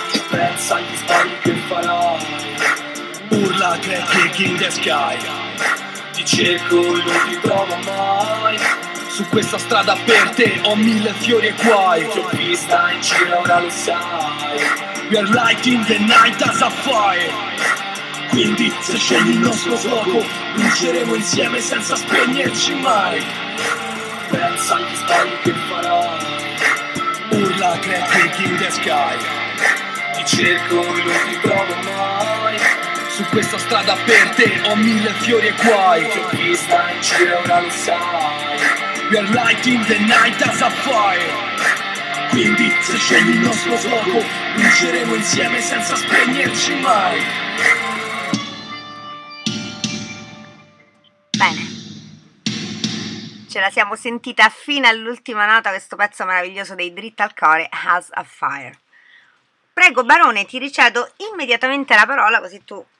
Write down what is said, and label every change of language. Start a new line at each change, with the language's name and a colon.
Italian: Pensa agli sbagli che farai, urla crack
English: in the sky,
Italian: ti cerco e non ti trovo mai. Su questa strada per te ho mille fiori e guai, ti ho vista in giro, ora lo sai.
English: We are lighting the night as a fire.
Italian: Quindi se scegli il nostro fuoco, bruceremo insieme senza spegnerci mai. Pensa agli sbagli che farai, urla crack
English: in the sky,
Italian: ti cerco e non ti trovo mai. Su questa strada per te ho mille fiori e guai, ti ho vista in giro, ora lo sai.
English: We are lighting the night as a fire.
Italian: Quindi se scegli il nostro fuoco, bruceremo insieme senza spegnerci mai. Ce la siamo sentita fino all'ultima nota questo pezzo meraviglioso dei Dritta al Core, House of Fire. Prego Barone, ti ricedo immediatamente la parola così tu